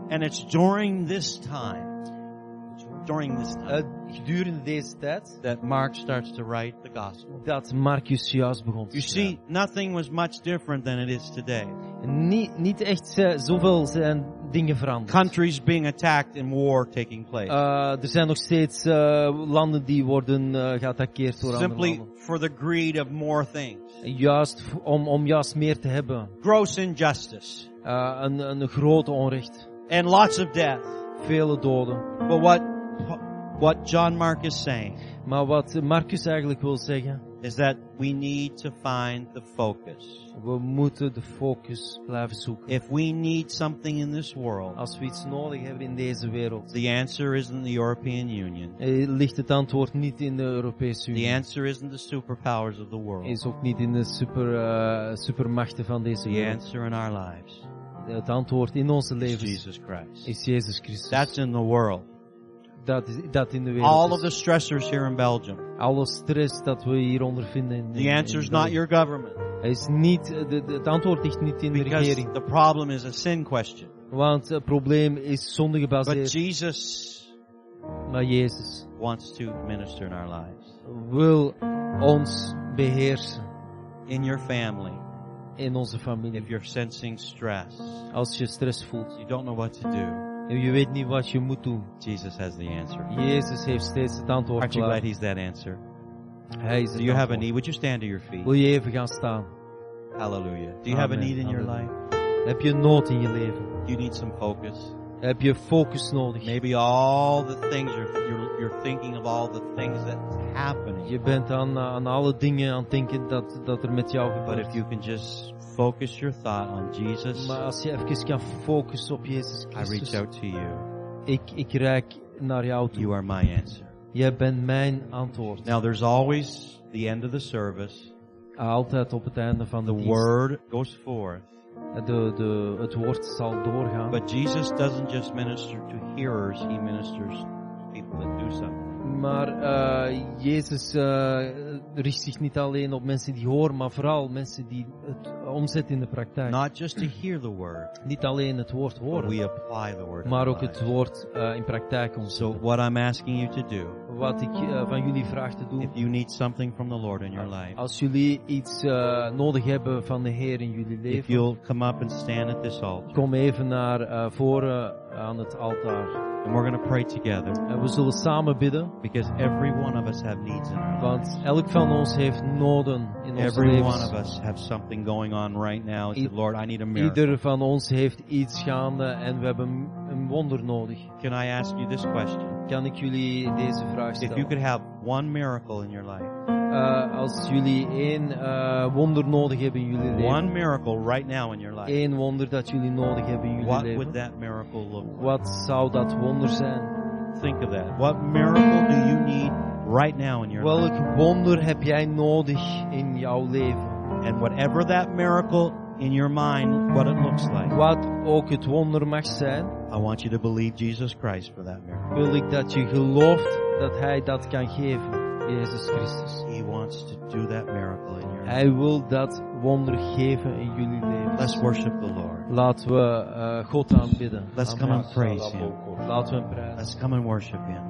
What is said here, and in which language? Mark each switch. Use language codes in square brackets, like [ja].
[en] And it's during this time. During this time, [nl] gedurende deze tijd, [en] that Mark starts to write the gospel. [nl] Dat Marcus juist begon. [en] You see, nothing was much different than it is today. [nl] Niet echt zoveel zijn dingen veranderd. [en] Countries being attacked and war taking place. [nl] Er zijn nog steeds landen die worden geattackeerd door andere landen. [en] Simply for the greed of more things. [nl] Juist om juist meer te hebben. [en] Gross injustice. [nl] Een grote onrecht. [en] And lots of death. [nl] vele doden. [en] But what John Mark is saying, [nl] maar wat Marcus eigenlijk wil zeggen, [en] is that we need to find the focus. [nl] We moeten de focus blijven zoeken. [en] If we need something in this world, [nl] als we iets nodig hebben in deze wereld, [en] the answer isn't the European Union. [nl] Ligt het antwoord niet in de Europese Unie. [en] The answer isn't the superpowers of the world. [nl] Is ook niet in de supermachten van deze wereld. [en] The answer in our lives. [nl] Het antwoord in onze levens. [en] Jesus Christ. [nl] Is Jezus Christus. [en] That's in the world. [nl] Dat in de wereld. [en] All of the stressors here in Belgium. [nl] Alle stress dat we hier ondervinden in [en] the answer is not your government. [nl] Is niet het antwoord ligt niet in [en] because [nl] de regering. [en] The problem is a sin question. [nl] Want het probleem is zonde gebaseerd. [en] But Jesus, [nl] maar Jezus [en] wants to minister in our lives. [nl] Wil ons beheersen [en] in your family. [nl] In onze familie. [en] If you're sensing stress. [nl] Als je stress voelt. [en] You don't know what to do. [nl] En je weet niet wat je moet doen. [en] Jesus has the answer. [nl] Jezus heeft steeds het antwoord. [en] Aren't you glad he's that answer? [nl] Hij is [en] do you have a need? Would you stand to your feet? [nl] Wil je even gaan staan? Hallelujah. [en] Do you have a need in Hallelujah. Your life? [nl] Heb je nood in je leven? [en] Do you need some focus? [nl] Heb je focus nodig? [en] Maybe all the things you're thinking of all the things that happen. [nl] Je bent aan alle dingen aan denken dat er met jou gebeurt. [en] But if you can just focus your thought on Jesus. [nl] Maar als je even kan focussen op Jezus Christus. [en] I reach out to you. [nl] Ik reik naar jou toe. [en] You are my answer. [nl] Jij bent mijn antwoord. [en] Now there's always the end of the service. [nl] Altijd op het einde van [en] the [nl] dienst. [en] Word goes forth. [nl] Het woord zal doorgaan. [en] But Jesus doesn't just minister to hearers, he ministers to people that do something. [nl] Maar Jezus richt zich niet alleen op mensen die horen, maar vooral mensen die het omzetten in de praktijk. [en] Not just to hear the word, [nl] niet alleen het woord horen, [en] we apply the word [nl] maar ook het woord in praktijk omzetten. [en] So what I'm asking you to do, [nl] wat ik van jullie vraag te doen, [en] if you need something from the Lord in your life, [nl] als jullie iets nodig hebben van de Heer in jullie leven, [en] if you'll come up and stand at this altar, [nl] kom even naar voren aan het altaar. [en] And we're going to pray together. [nl] En we zullen samen bidden. [en] Because every one of us have needs in our lives. [nl] Want elk van ons heeft noden in ons leven. [en] Every one of us have something going on right now. Said, Lord, I need a miracle. [nl] Ieder van ons heeft iets gaande en we hebben een wonder nodig. [en] Can I ask you this question? [nl] Kan ik jullie deze vraag stellen? [en] If you could have one miracle in your life. [nl] Als jullie één wonder nodig hebben in jullie leven. [en] One miracle right now in your life. [nl] Eén wonder dat jullie nodig hebben in jullie [en] what [nl] leven. [en] Would that miracle look like? [nl] Wat zou dat wonder zijn? [en] Think of that. What miracle do you need right now in your [nl] welk [en] life? [nl] Welk wonder heb jij nodig in jouw leven? [en] And whatever that miracle in your mind, what it looks like. [nl] Wat ook het wonder mag zijn. [en] I want you to believe Jesus Christ for that miracle. [nl] Wil ik dat je gelooft dat Hij dat kan geven. Jezus Christus. [en] He wants to do that miracle in your life. [nl] Hij wil dat wonder geven in jullie leven. [en] Let's worship the Lord. [nl] Laten we God aanbidden. [en] Let's come and praise Him. [nl] Laten we hem prijzen. [en] Let's come and worship Him.